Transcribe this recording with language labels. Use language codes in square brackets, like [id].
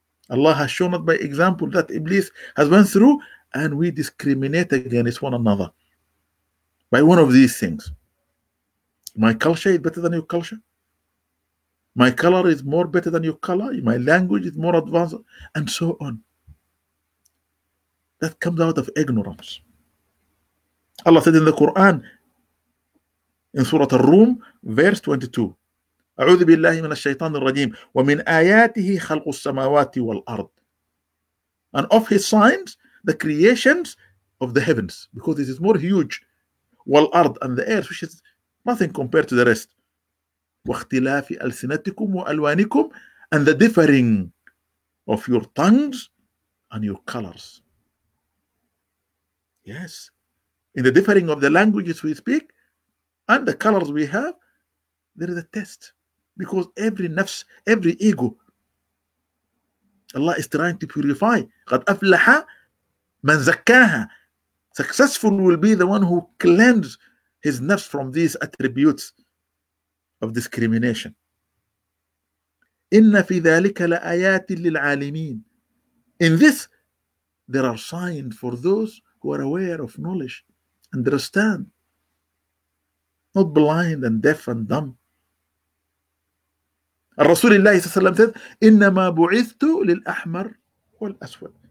[en] Allah has shown us by example that Iblis has went through, and we discriminate against one another by one of these things. My culture is better than your culture. My color is more better than your color. My language is more advanced, and so on. That comes out of ignorance. Allah said in the Quran, in Surah Ar-Rum, verse 22, [ar] أعوذ بالله من الشيطان الرجيم ومن آياته خلق السماوات والأرض. [en] And of his signs, the creations of the heavens, because it is more huge. [ar] والأرض [en] and the earth, which is nothing compared to the rest. [ar] واختلاف ألسنتكم وألوانكم. [en] And the differing of your tongues and your colors. Yes. In the differing of the languages we speak and the colors we have, there is a test. Because every nafs, every ego, Allah is trying to purify. [ar] قَدْ أَفْلَحَ مَنْ زَكَّاهَا. [en] Successful will be the one who cleanses his nafs from these attributes of discrimination. [ar] إِنَّ فِي ذَلِكَ لَآيَاتٍ لِلْعَالِمِينَ. [en] In this, there are signs for those who are aware of knowledge, understand, not blind and deaf and dumb. [ar] الرسول الله صلى الله عليه وسلم said, إنما بعثت للأحمر والأسود.